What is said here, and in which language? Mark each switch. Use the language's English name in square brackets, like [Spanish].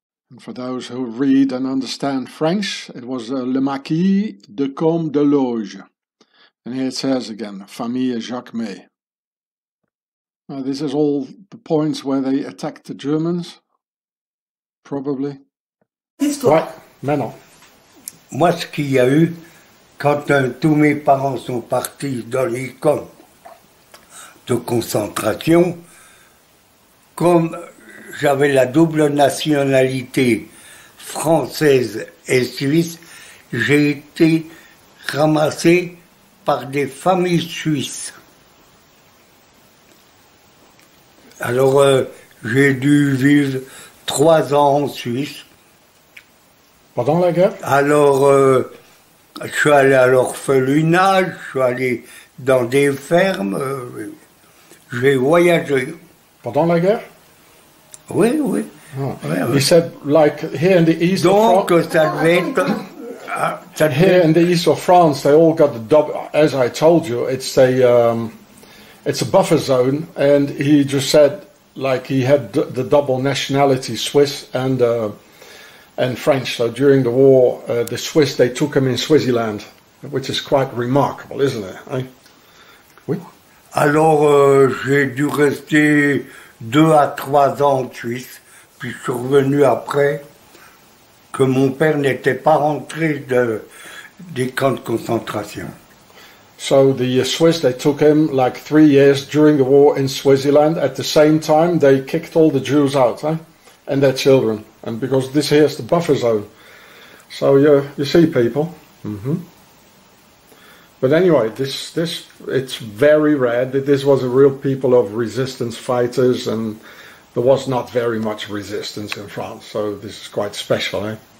[English] And for those who read and understand French, it was Le Marquis de Combe de Loge. And here it says again, Famille Jacquemet. Now, this is all the points where they attacked the Germans, probably. [French] Ouais, maintenant. Moi, ce qu'il y a eu quand tous mes parents sont partis dans les camps de concentration. Comme j'avais la double nationalité française et suisse, j'ai été ramassé par des familles suisses. Alors, j'ai dû vivre 3 ans en Suisse. Pendant la guerre? Alors, je suis allé à l'orphelinat, je suis allé dans des fermes, j'ai voyagé. Pendant la guerre? Oui, oui. Oh. Oui, oui. [English] He said, like, here in the east [French] donc, [English] of France... [French] Ça devait être, ça devait... [English] Here in the east of France, they all got the double... As I told you, it's a buffer zone. And he just said, like, he had the double nationality, Swiss and French. So during the war, the Swiss, they took him in Switzerland, which is quite remarkable, isn't it? [French] Hein? Oui. Alors, j'ai dû rester 2 à 3 ans en Suisse, puis je suis revenu après que mon père n'était pas rentré des camps de concentration. [English] So the Swiss, they took him like 3 years during the war in Switzerland. At the same time, they kicked all the Jews out, hein? And their children. And because this here is the buffer zone. So you see people. Mm-hmm. But anyway, this it's very rare that this was a real people of resistance fighters, and there was not very much resistance in France, so this is quite special, eh?